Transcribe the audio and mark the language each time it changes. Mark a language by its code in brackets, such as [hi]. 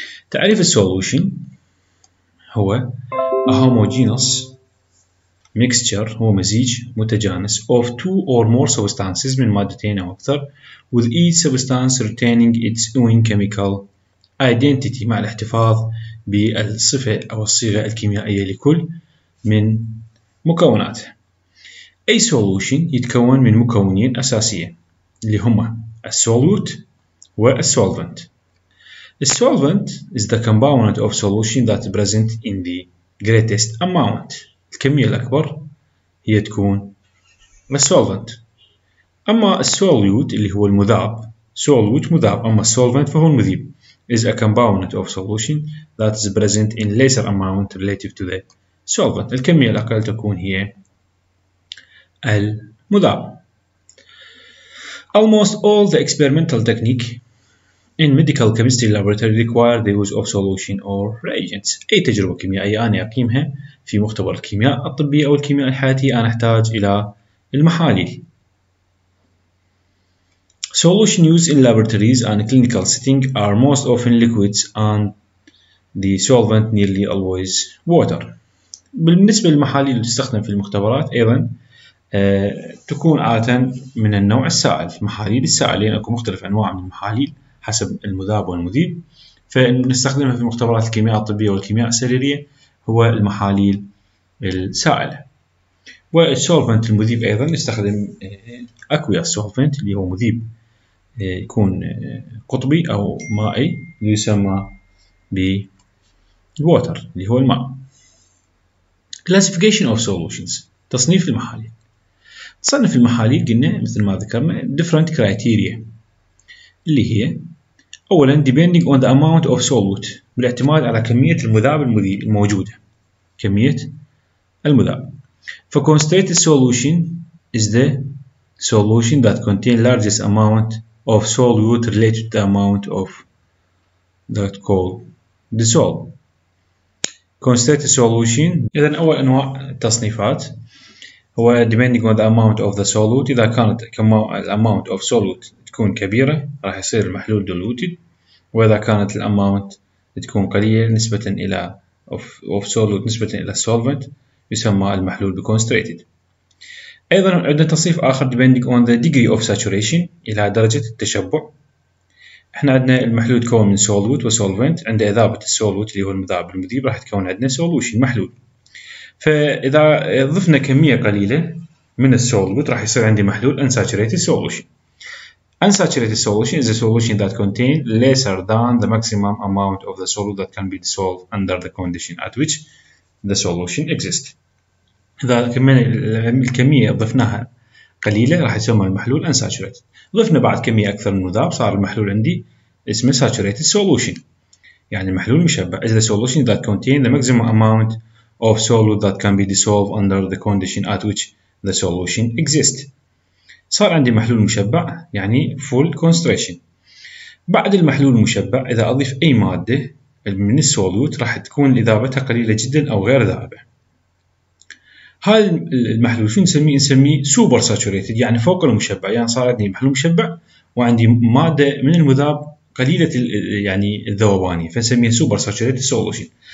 [ar] تعريف السولوشن هو [en] a homogeneous mixture, [ar] هو مزيج متجانس [en] of two or more substances [ar] من مادتين أو أكثر [en] with each substance retaining its own chemical identity [ar] مع الاحتفاظ بالصفة أو الصيغة الكيميائية لكل من مكوناته. أي solution يتكون من مكونين أساسيين اللي هما solute والsolvent. [en] Solvent is the component of solution that present in the greatest amount. [ar] الكمية الأكبر هي تكون solvent. أما solute اللي هو المذاب, solute مذاب, أما solvent فهو المذيب. [en] Is a component of solution that is present in lesser amount relative to the solvent. [ar] الكمية الأقل تكون هي المذاب. [en] Almost all the experimental technique in medical chemistry laboratory require the use of solution or reagents. [ar] أي تجربة كيميائية أنا أقيمها في مختبر الكيمياء الطبي أو الكيمياء الحياتي أنا أحتاج إلى المحاليل. [en] Solution used in laboratories and clinical setting are most often liquids and the solvent nearly always water. [ar] بالنسبة للمحاليل اللي تستخدم في المختبرات أيضا تكون عادة من النوع السائل. محاليل السائل لأن أكو مختلف أنواع من المحاليل حسب المذاب والمذيب, فنستخدمها في مختبرات الكيمياء الطبية والكيمياء السريرية هو المحاليل السائلة. والسولفنت المذيب أيضا نستخدم أكويا السولفنت اللي هو مذيب يكون قطبي أو مائي يسمى بالووتر اللي هو الماء. [en] Classification of solutions [ar] تصنيف المحاليل. تصنف المحاليل قلنا مثل ما ذكرنا [en] different criteria [ar] اللي هي أولا [en] depending on the amount of solute [ar] بالاعتماد على كمية المذاب المذيب الموجودة, كمية المذاب. [en] For concentrated solution is the solution that contain largest amount of solute related to the amount of that called dissolve. constant solution. [ar] إذا أول أنواع التصنيفات هو [en] depending on the amount of the solute. [ar] إذا كانت [en] amount of solute [ar] تكون كبيرة راح يصير المحلول diluted، وإذا كانت amount تكون قليلة نسبة إلى of solute نسبة إلى solvent يسمى المحلول concentrated. أيضا عندنا تصنيف آخر [en] depending on the degree of saturation [ar] إلى درجة التشبع. احنا عندنا المحلول يتكون من solute و solvent، عند إذابة solute اللي هو المذاب المذيب راح تكون عندنا solution محلول. فإذا ضفنا كمية قليلة من solute راح يصير عندي محلول unsaturated solution. [en] Unsaturated solution is a solution that contains lesser than the maximum amount of the solute that can be dissolved under the condition at which the solution exists. [ar] إذا الكمية ضفناها قليلة راح يسمى المحلول unsaturated. ضفنا بعد كمية أكثر من المذاب صار المحلول عندي اسمه saturated solution، يعني محلول مشبع. [en] Is the solution that contains the maximum amount of solute that can be dissolved under the condition at which the solution exists. [ar] صار عندي محلول مشبع يعني [en] full concentration. [ar] بعد المحلول المشبع إذا أضيف أي مادة من السولوت راح تكون إذابتها قليلة جدا أو غير ذابة. هذا المحلول شو نسميه سوبر ساتوريتد، يعني فوق المشبع، يعني صار عندي محلول مشبع وعندي مادة من المذاب قليلة يعني الذوبانية فنسميه سوبر ساتوريتد سولوشن.